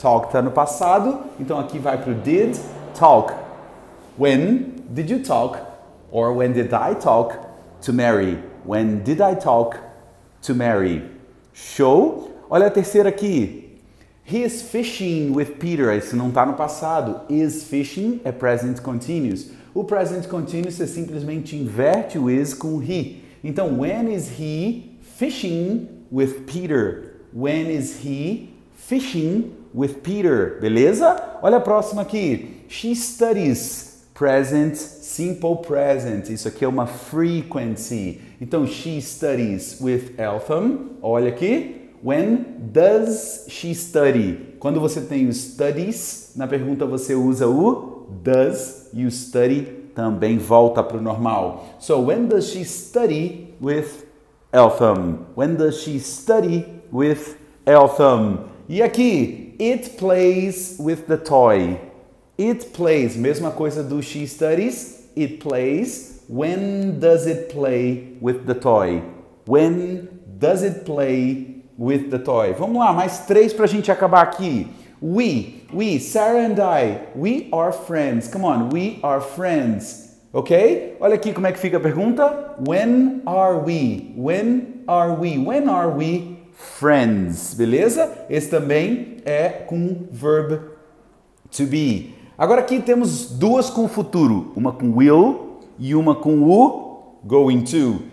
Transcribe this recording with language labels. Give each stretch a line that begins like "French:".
Portuguese: Talk está no passado, então aqui vai para o did, talk.
English: When did you talk? Or when did I talk to Mary? When did I talk to Mary? Show?
Portuguese: Olha a terceira aqui.
English: He is fishing with Peter.
Portuguese: Isso não está no passado. Is fishing é present continuous. O present continuous é simplesmente inverte o is com he.
English: Então, when is he fishing with Peter? When is he fishing with Peter? Beleza?
Portuguese: Olha a próxima aqui.
English: She studies present, simple present.
Portuguese: Isso aqui é uma frequency.
English: Então, she studies with Eltham.
Portuguese: Olha aqui.
English: When does she study?
Portuguese: Quando você tem o studies, na pergunta você usa o does e o study também volta para o normal.
English: So, when does she study with Eltham? When does she study with Eltham?
Portuguese: E aqui,
English: it plays with the toy. It plays,
Portuguese: mesma coisa do
English: she studies, it plays. When does it play with the toy? When does it play with the toy?
Portuguese: Vamos lá, mais três para a gente acabar aqui.
English: We, Sarah and I, we are friends. Come on, we are friends. Ok?
Portuguese: Olha aqui como é que fica a pergunta.
English: When are we? When are we? When are we friends? Beleza?
Portuguese: Esse também é com verb to be. Agora aqui temos duas com o futuro, uma com will e uma com o going to.